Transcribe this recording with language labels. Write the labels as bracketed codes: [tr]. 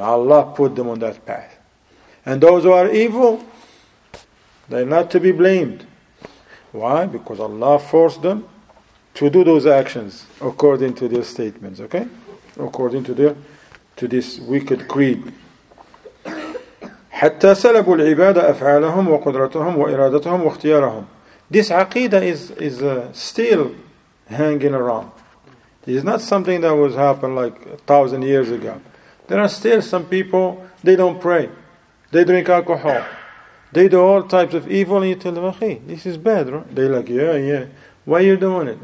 [en] Allah put them on that path. And those who are evil, they're not to be blamed. Why? Because Allah forced them to do those actions according to their statements, okay? According to their to this wicked creed. [ar] حتى سلبوا العبادة أفعالهم وقدرتهم وإرادتهم واختيارهم. [en] This aqidah is still hanging around. It is not something that was happened like 1,000 years ago. There are still some people, they don't pray. They drink alcohol. They do all types of evil and you tell them, hey, this is bad, right? They're like, yeah, yeah. Why are you doing it?